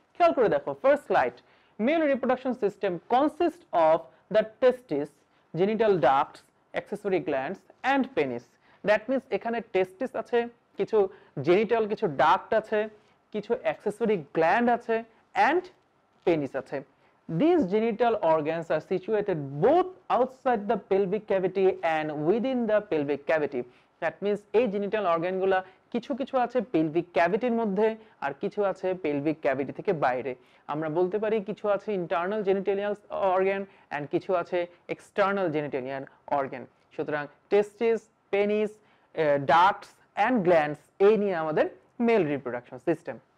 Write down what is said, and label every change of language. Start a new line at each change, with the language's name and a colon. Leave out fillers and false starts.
Bangla: খেয়াল করে দেখো,
English: First slide, male reproduction system consist of the testis, genital duct, accessory glands and penis. That means
Bangla: এখানে টেস্টিস আছে, কিছু জেনিটাল, কিছু ডাক্ট আছে, কিছু অ্যাক্সেসরি গ্ল্যান্ড আছে অ্যান্ড পেনিস আছে।
English: These genital organs are situated both outside the pelvic cavity and within the pelvic cavity. That means
Bangla: এই genital organ গুলো কিছু কিছু আছে পেলভিক ক্যাভিটির মধ্যে আর কিছু আছে পেলভিক ক্যাভিটি থেকে বাইরে। আমরা বলতে পারি কিছু আছে ইন্টারনাল জেনিটেলিয়াল অর্গ্যান অ্যান্ড কিছু আছে এক্সটার্নাল জেনিটেলিয়াল অর্গ্যান। সুতরাং টেস্টিস, পেনিস, ডাক্টস অ্যান্ড গ্ল্যান্ডস, এই নিয়ে আমাদের মেল রিপ্রোডাকশন সিস্টেম।